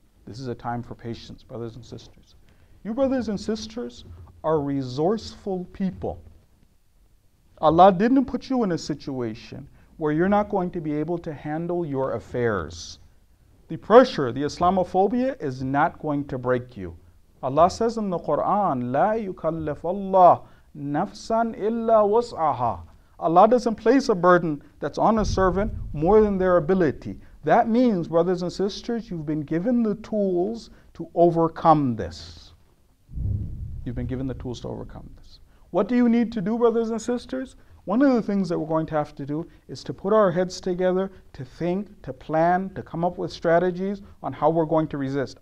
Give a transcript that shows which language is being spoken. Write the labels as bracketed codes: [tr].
[en] This is a time for patience, brothers and sisters. You brothers and sisters are resourceful people. Allah didn't put you in a situation where you're not going to be able to handle your affairs. The pressure, the Islamophobia, is not going to break you. Allah says in the Quran, [ar] لا يكلف الله نفسا إلا وسعها. [en] Allah doesn't place a burden that's on a servant more than their ability. That means, brothers and sisters, you've been given the tools to overcome this. You've been given the tools to overcome this. What do you need to do, brothers and sisters? One of the things that we're going to have to do is to put our heads together, to think, to plan, to come up with strategies on how we're going to resist.